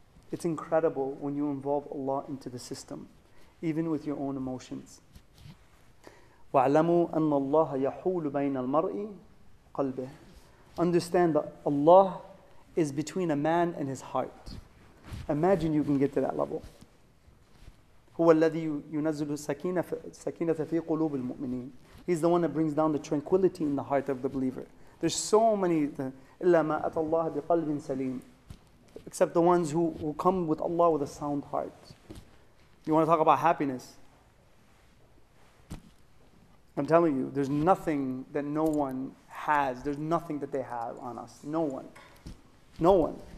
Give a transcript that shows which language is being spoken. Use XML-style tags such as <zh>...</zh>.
<en>It's incredible when you involve Allah into the system, even with your own emotions.</en> <ar>وَعْلَمُوا أَنَّ اللَّهَ يَحُولُ بَيْنَ الْمَرْءِ قَلْبِهِ.</ar> <en>Understand that Allah is between a man and his heart. Imagine you can get to that level.</en> <ar>هو الذي ينزل السكينة في قلوب المؤمنين.</ar> <en>He's the one that brings down the tranquility in the heart of the believer. There's so many.</en> <ar>إلا ما أتى الله بقلب سليم.</ar> <en>Except the ones who come with Allah with a sound heart. You want to talk about happiness? I'm telling you, there's nothing that no one has. There's nothing that they have on us. No one. No one.</en>